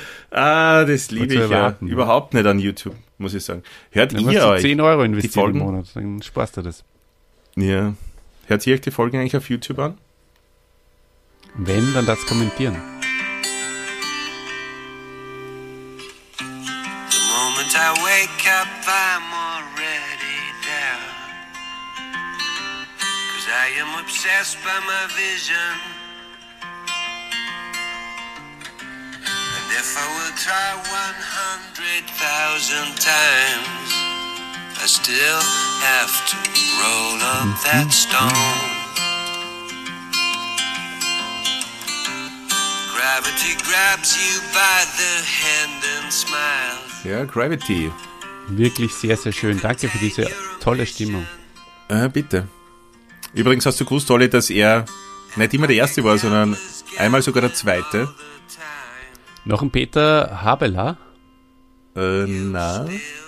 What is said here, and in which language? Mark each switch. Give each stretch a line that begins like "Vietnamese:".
German: das liebe ich ja überhaupt nicht an YouTube, muss ich sagen. Hört dann ihr euch 10 Euro investiert die im Monat, dann spaßt ihr das. Ja. Hört ihr euch die Folgen eigentlich auf YouTube an? Wenn, dann das kommentieren.
English: The moment I wake up, I'm already there. 'Cause I am obsessed by my vision. If I would try 100,000 times, I still have to roll up mm-hmm. that stone. Gravity grabs you by the hand and smiles.
German: Ja, Gravity. Wirklich sehr, sehr schön. Danke für diese tolle Stimmung. Bitte. Übrigens hast du gewusst, Olli, dass er nicht immer der Erste war, sondern einmal sogar der Zweite. Noch ein Peter Habeler? Nein.